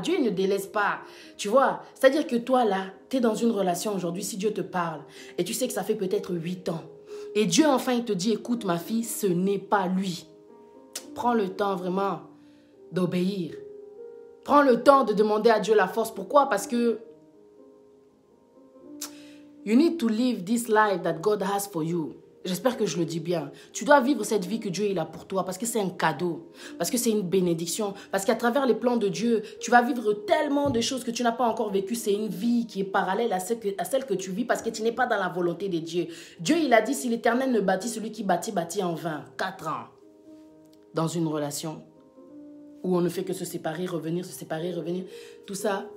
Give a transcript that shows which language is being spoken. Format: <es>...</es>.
<fr>Dieu, il ne délaisse pas. Tu vois? C'est-à-dire que toi, là, tu es dans une relation aujourd'hui, si Dieu te parle, et tu sais que ça fait peut-être 8 ans. Et Dieu, enfin, il te dit, écoute, ma fille, ce n'est pas lui. Prends le temps, vraiment, d'obéir. Prends le temps de demander à Dieu la force. Pourquoi? Parce que</fr> <en>you need to live this life that God has for you.</en> <fr>J'espère que je le dis bien. Tu dois vivre cette vie que Dieu il a pour toi parce que c'est un cadeau, parce que c'est une bénédiction, parce qu'à travers les plans de Dieu, tu vas vivre tellement de choses que tu n'as pas encore vécues. C'est une vie qui est parallèle à celle que tu vis parce que tu n'es pas dans la volonté de Dieu. Dieu, il a dit, si l'Éternel ne bâtit, celui qui bâtit, bâtit en vain. 4 ans dans une relation où on ne fait que se séparer, revenir, tout ça.</fr>